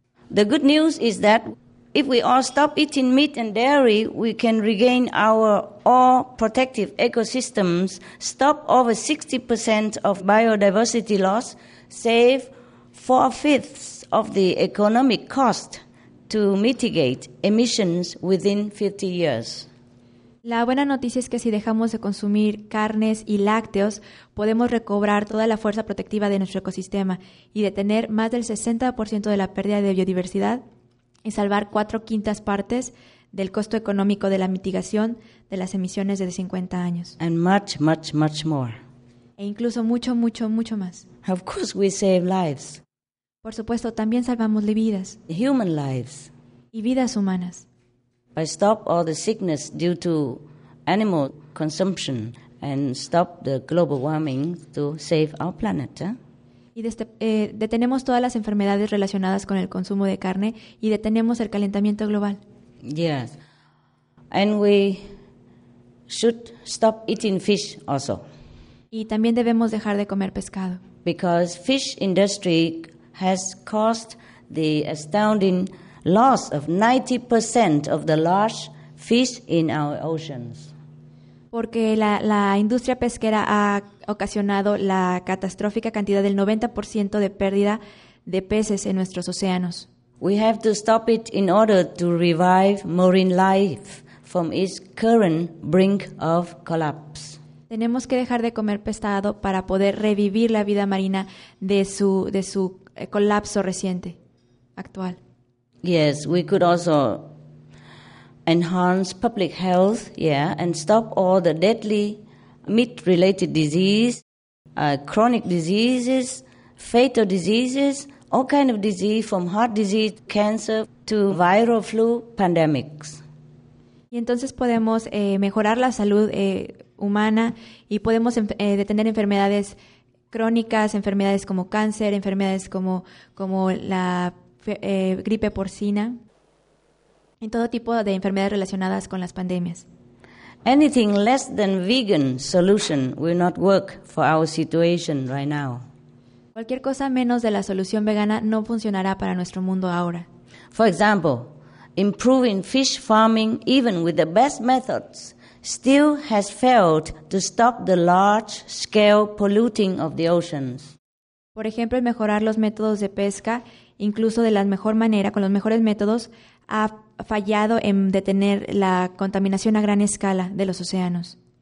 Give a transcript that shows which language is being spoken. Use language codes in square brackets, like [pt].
[en] The good news is that if we all stop eating meat and dairy, we can regain our all protective ecosystems, stop over 60% of biodiversity loss, save 4/5 of the economic cost to mitigate emissions within 50 years. [es] La buena noticia es que si dejamos de consumir carnes y lácteos, podemos recobrar toda la fuerza protectiva de nuestro ecosistema y detener más del 60% de la pérdida de biodiversidad y salvar 4/5 partes del costo económico de la mitigación de las emisiones de 50 años. [en] And much, much, much more. [es] E incluso mucho, mucho, mucho más. [en] Of course we save lives. [es] Por supuesto, también salvamos vidas. [en] Human lives. [es] Y vidas humanas. [en] By stop all the sickness due to animal consumption and stop the global warming to save our planet, eh? [es] Y detenemos todas las enfermedades relacionadas con el consumo de carne y detenemos el calentamiento global. [en] Yes. And we should stop eating fish also. [es] Y también debemos dejar de comer pescado. [en] Because fish industry has caused the astounding loss of 90% of the large fish in our oceans. [es] Porque la industria pesquera ha ocasionado la catastrófica cantidad del 90% de pérdida de peces en nuestros océanos. [en] We have to stop it in order to revive marine life from its current brink of collapse. [es] Tenemos que dejar de comer pescado para poder revivir la vida marina de su colapso reciente, actual. [en] Yes, we could also enhance public health, yeah, and stop all the deadly meat-related disease, chronic diseases, fatal diseases, all kind of disease from heart disease, cancer, to viral flu pandemics. [es] Y entonces podemos mejorar la salud humana y podemos detener enfermedades crónicas, enfermedades como cáncer, enfermedades como la gripe porcina y todo tipo de enfermedades relacionadas con las pandemias. [en] Anything less than vegan solution will not work for our situation right now. [es] Cualquier cosa menos de la solución vegana no funcionará para nuestro mundo ahora. [en] For example, improving fish farming, even with the best methods, still has failed to stop the large-scale polluting of the oceans. [es] Por ejemplo, el mejorar los métodos de pesca, incluso de la mejor manera, con los mejores métodos, ha fallado en detener la contaminación a gran escala de los océanos.